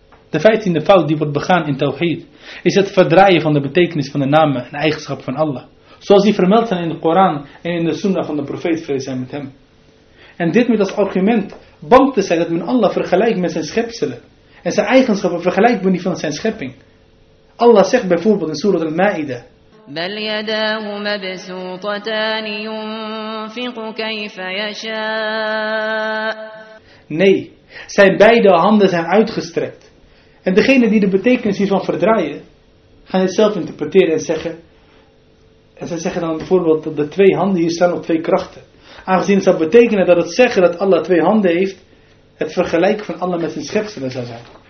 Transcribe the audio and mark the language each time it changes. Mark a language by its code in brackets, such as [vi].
[nl] De 15e fout die wordt begaan in Tawheed is het verdraaien van de betekenis van de namen en eigenschappen van Allah, zoals die vermeld zijn in de Koran en in de Sunna van de profeet, vrede zij met hem. En dit met als argument bang te zijn dat men Allah vergelijkt met zijn schepselen en zijn eigenschappen vergelijkt met die van zijn schepping. Allah zegt bijvoorbeeld in Surah Al-Ma'idah: [ar] بل يداه مبسوطتان ينفق كيف يشاء. [nl] Nee, zijn beide handen zijn uitgestrekt. En degene die de betekenis hiervan verdraaien, gaan het zelf interpreteren en zeggen. En zij zeggen dan bijvoorbeeld dat de twee handen hier staan op twee krachten. Aangezien het zou betekenen dat het zeggen dat Allah twee handen heeft, het vergelijken van Allah met zijn schepselen zou zijn.